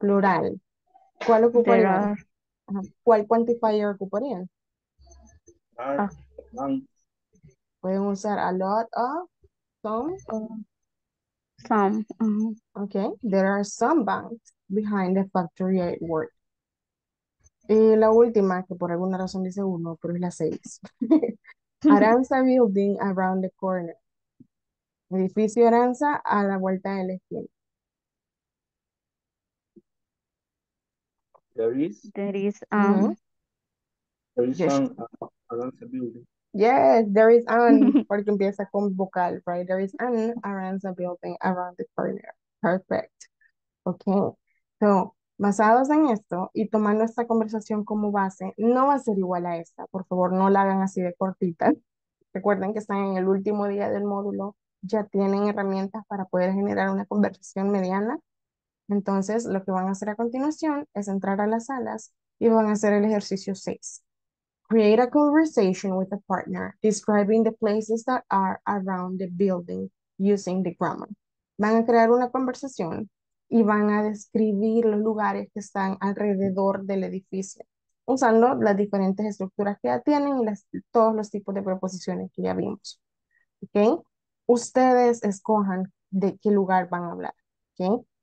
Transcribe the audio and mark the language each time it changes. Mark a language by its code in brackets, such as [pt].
[es] Plural. ¿Cuál ocuparía? ¿Cuál quantifier ocuparían? [en] There are. [es] Pueden usar a lot of, some. [en] Some. Okay, there are some banks behind the factory I work. [es] Y la última, que por alguna razón dice uno, pero es la seis. [en] Aranza Building around the corner. [es] Edificio Aranza a la vuelta de la esquina. [en] There is an [es] porque empieza con vocal, right? [en] There is an Aranza Building around the corner. Perfect. Okay. [es] So, basados en esto y tomando esta conversación como base, no va a ser igual a esta. Por favor, no la hagan así de cortita. Recuerden que están en el último día del módulo. Ya tienen herramientas para poder generar una conversación mediana. Entonces, lo que van a hacer a continuación es entrar a las salas y van a hacer el ejercicio 6. [en] Create a conversation with a partner describing the places that are around the building using the grammar. [es] Van a crear una conversación y van a describir los lugares que están alrededor del edificio, usando las diferentes estructuras que ya tienen y todos los tipos de preposiciones que ya vimos. ¿Okay? Ustedes escojan de qué lugar van a hablar. ¿Okay?